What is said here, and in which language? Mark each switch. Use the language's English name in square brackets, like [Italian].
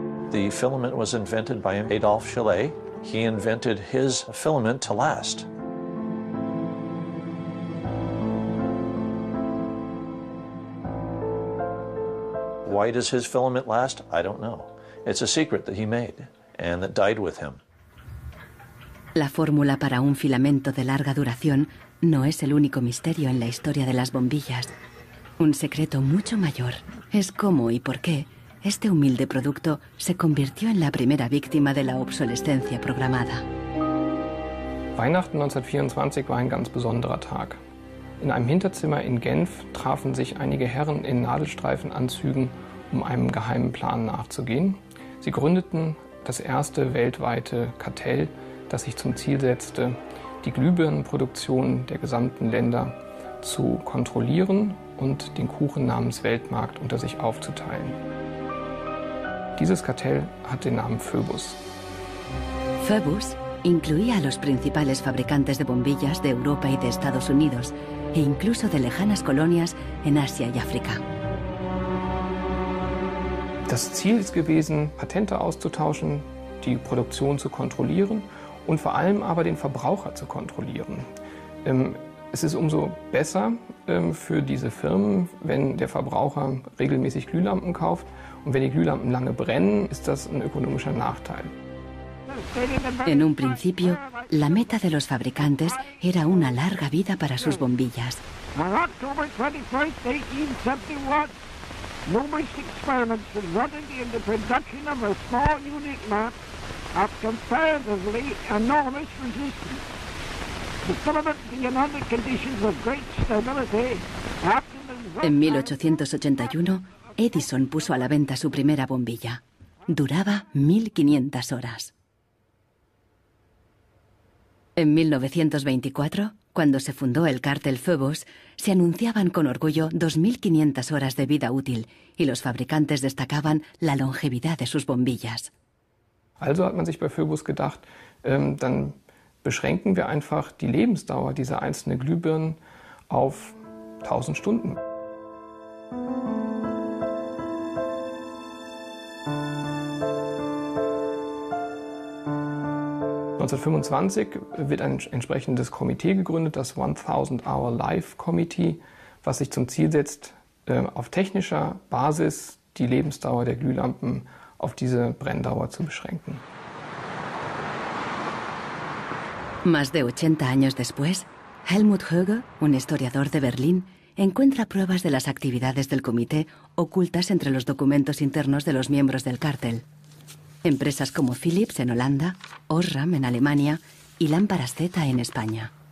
[English] The filament was invented by Adolphe Chollet. He invented his filament to last. Why does his filament last? I don't know. It's a secret that he made and that died with him. [Spanish] La fórmula para un filamento de larga duración no es el único misterio en la historia de las bombillas. Un secreto mucho mayor es cómo y por qué este humilde producto se convirtió en la primera víctima de la obsolescencia programada. [German] Weihnachten 1924 war ein ganz besonderer Tag. In einem Hinterzimmer in Genf trafen sich einige Herren in Nadelstreifenanzügen, um einem geheimen Plan nachzugehen. Sie gründeten das erste weltweite Kartell, das sich zum Ziel setzte, die Glühbirnenproduktion der gesamten Länder zu kontrollieren und den Kuchen namens Weltmarkt unter sich aufzuteilen. Dieses Kartell hat den Namen Phoebus. [Spanish] Phoebus incluía a los principales fabricantes de bombillas de Europa y de Estados Unidos e incluso de lejanas colonias en Asia y África. [German] Das Ziel ist gewesen, Patente auszutauschen, die Produktion zu kontrollieren und vor allem aber den Verbraucher zu kontrollieren. Es ist umso besser für diese Firmen, wenn der Verbraucher regelmäßig Glühlampen kauft. Und wenn die Glühlampen lange brennen, ist das ein ökonomischer Nachteil. [Spanish] En un principio, la meta de los fabricantes era una larga vida para sus bombillas. [English] On October 21st, 1871, numerous experiments resulted in the production of a small unit lamp of comparatively enormous resistance. The filament began under conditions of great stability. After the result, [Spanish] en 1881, Edison puso a la venta su primera bombilla. Duraba 1500 horas. En 1924, cuando se fundó el cartel Phoebus, se anunciaban con orgullo 2500 horas de vida útil y los fabricantes destacaban la longevidad de sus bombillas. [German] Also hat man sich bei Phoebus gedacht, dann beschränken wir einfach die Lebensdauer dieser einzelnen Glühbirnen auf 1000 Stunden. In 1925 wird ein entsprechendes Komitee gegründet, das 1000 Hour Life Committee, was sich zum Ziel setzt, auf technischer Basis die Lebensdauer der Glühlampen auf diese Brenndauer zu beschränken. [Spanish] Más de 80 años después, Helmut Höge, un historiador de Berlín, encuentra pruebas de las actividades del comité ocultas entre los documentos internos de los miembros del cártel. Empresas como Philips en Holanda, Osram en Alemania y Lámparas Z en España.